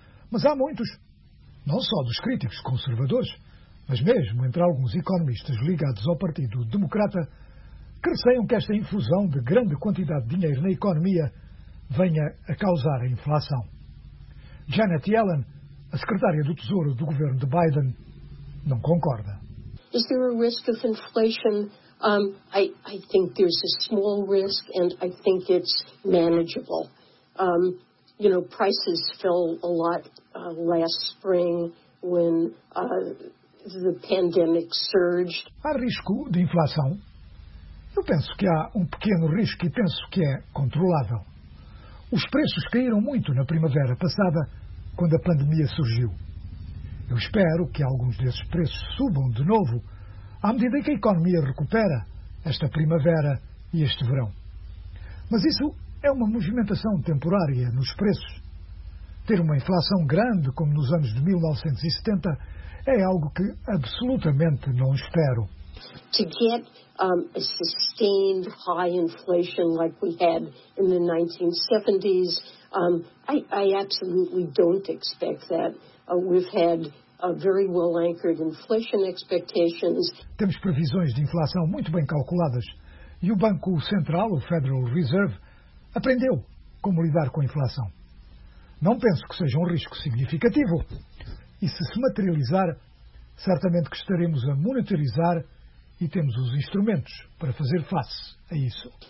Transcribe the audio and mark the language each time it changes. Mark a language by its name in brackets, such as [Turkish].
[Portuguese] Mas há muitos, não só dos críticos conservadores, mas mesmo entre alguns economistas ligados ao Partido Democrata, que receiam que esta infusão de grande quantidade de dinheiro na economia venha a causar a inflação. Janet Yellen, a secretária do Tesouro do governo de Biden, não concorda. [English] Is there a risk of inflation? I think there's a small risk and I think it's manageable. You know, prices fell a lot last spring when the pandemic surged. [Portuguese] Há risco de inflação? Eu penso que há um pequeno risco e penso que é controlável. Os preços caíram muito na primavera passada, quando a pandemia surgiu. Eu espero que alguns desses preços subam de novo à medida que a economia recupera esta primavera e este verão. Mas isso é uma movimentação temporária nos preços. Ter uma inflação grande, como nos anos de 1970, é algo que absolutamente não espero. [English] To get a sustained high inflation like we had in the 1970s, I absolutely don't expect that. We've had very well anchored inflation expectations. [Portuguese] Temos previsões de inflação muito bem calculadas e o Banco Central, o Federal Reserve, aprendeu como lidar com a inflação. Não penso que seja um risco significativo e, se se materializar, certamente que estaremos a monetarizar e temos os instrumentos para fazer face a isso.